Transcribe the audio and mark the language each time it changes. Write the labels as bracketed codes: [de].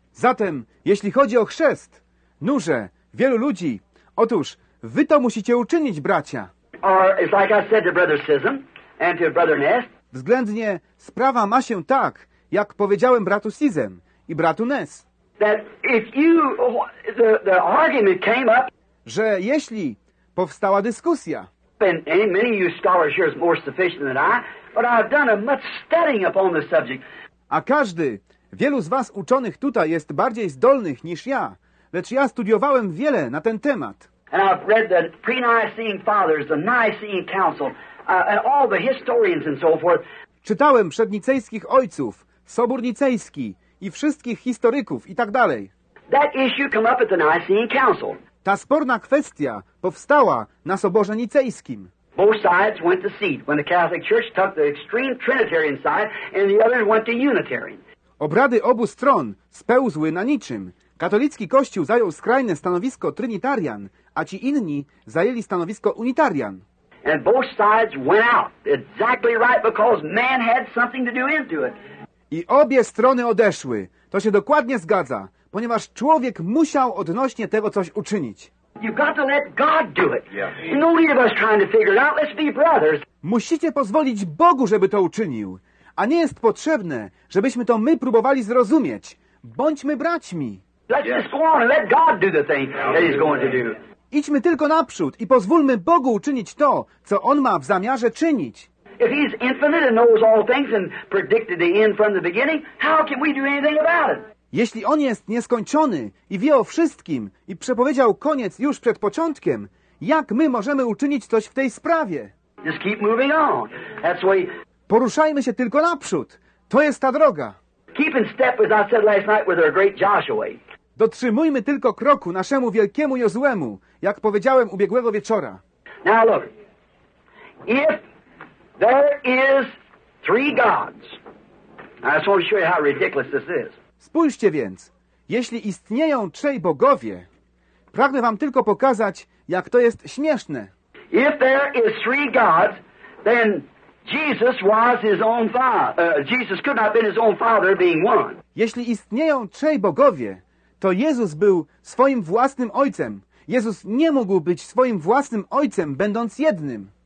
[pl] Zatem, jeśli chodzi o chrzest, nurze, wielu ludzi, otóż, wy to musicie uczynić, bracia. [en] Or, it's like I said to Brother Sism and to Brother Ness. [pl] Względnie, sprawa ma się tak, jak powiedziałem bratu Sism i bratu Ness. [en] That if you, the argument came up. [pl] Że jeśli powstała dyskusja. [en] And many of you scholars here is more sufficient than I, but I've done a much studying upon the subject. [pl] A każdy, wielu z was uczonych tutaj jest bardziej zdolnych niż ja, lecz ja studiowałem wiele na ten temat. [en] And I've read the pre-Nicene fathers, the Nicene council, and all the historians and so forth. [pl] Czytałem przednicejskich ojców, Sobór Nicejski i wszystkich historyków i tak dalej. [en] That issue came up at the Nicene council. [pl] Ta sporna kwestia powstała na Soborze Nicejskim. [en] Both sides went to seat when the Catholic Church took the extreme Trinitarian side and the others went to Unitarian. [pl] Obrady obu stron spełzły na niczym. Katolicki Kościół zajął skrajne stanowisko Trinitarian, a ci inni zajęli stanowisko Unitarian. [en] And both sides went out. Exactly right, because man had something to do into it. [pl] I obie strony odeszły. To się dokładnie zgadza, ponieważ człowiek musiał odnośnie tego coś uczynić. [en] You've got to let God do it. Yeah. No need of us trying to figure it out. Let's be brothers. [pl] Musicie pozwolić Bogu, żeby to uczynił. A nie jest potrzebne, żebyśmy to my próbowali zrozumieć. Bądźmy braćmi. [en] Let's just go on and let God do the thing that he's going to do. [pl] Idźmy tylko naprzód i pozwólmy Bogu uczynić to, co on ma w zamiarze czynić. [en] If he's infinite and knows all things and predicted the end from the beginning, how can we do anything about it? [pl] Jeśli on jest nieskończony i wie o wszystkim i przepowiedział koniec już przed początkiem, jak my możemy uczynić coś w tej sprawie? [en] Just keep moving on. That's why. [pl] Poruszajmy się tylko naprzód. To jest ta droga. [en] Keep in step, as I said last night, with our great Joshua. [pl] Dotrzymujmy tylko kroku naszemu wielkiemu Jozuemu, jak powiedziałem ubiegłego wieczora. [en] Now look. If there is three gods, I just want to show you how ridiculous this is. [pl] Spójrzcie więc, jeśli istnieją trzej bogowie, pragnę wam tylko pokazać, jak to jest śmieszne. [en] If there is three gods, then Jesus was his own father. Jesus could not have been his own father being one. [pl] Jeśli istnieją trzej bogowie, to Jezus był swoim własnym ojcem. Jezus nie mógł być swoim własnym ojcem, będąc jednym.